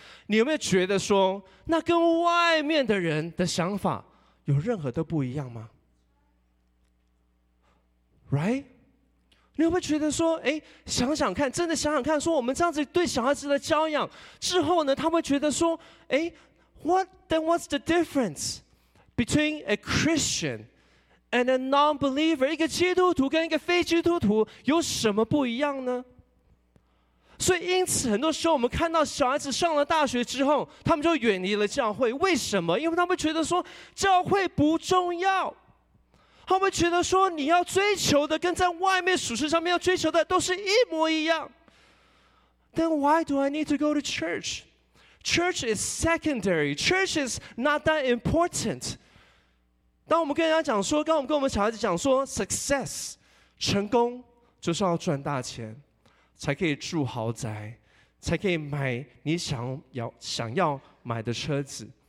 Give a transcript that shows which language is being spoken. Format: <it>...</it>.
<zh>你有没有觉得说，那跟外面的人的想法有任何的不一样吗 ？</zh> <en>Right？</en> <zh>你有没有觉得说，哎，想想看，真的想想看，说我们这样子对小孩子的教养之后呢，他会觉得说，哎 ，</zh> <en>What then? What's the difference between a Christian and a non-believer？</en> <zh>一个基督徒跟一个非基督徒有什么不一样呢？所以因此很多时候我们看到小孩子上了大学之后，他们就远离了教会。为什么？因为他们觉得说教会不重要，他们觉得说你要追求的跟在外面属世上面要追求的都是一模一样。</zh> <en>Then why do I need to go to church? Church is secondary. Church is not that important.</en> <zh>当我们跟人家讲说，当我们跟我们小孩子讲说 success 成功就是要赚大钱，才可以住豪宅，才可以买你想要买的车子。</zh>